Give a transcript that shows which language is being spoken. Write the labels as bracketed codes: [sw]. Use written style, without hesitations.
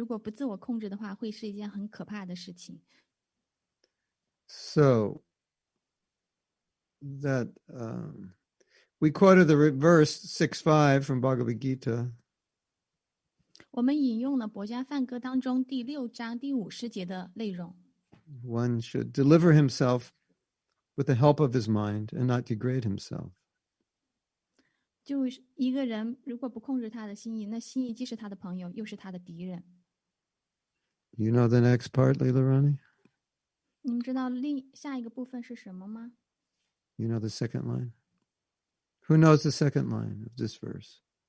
[zh] 上周我们谈到了一个关于自我控制的这个课程。如果不自我控制的话，会是一件很可怕的事情。 [en] So that we quoted the verse 6.5 from Bhagavad Gita. [zh] 我们引用了《博伽梵歌》当中第六章第五十节的内容。 [en] One should deliver himself with the help of his mind and not degrade himself. [zh] 就一个人如果不控制他的心意，那心意既是他的朋友，又是他的敌人。 [en] You know the next part, Leela Rani? [zh] 你们知道下一个部分是什么吗? [en] You know the second line? Who knows the second line of this verse?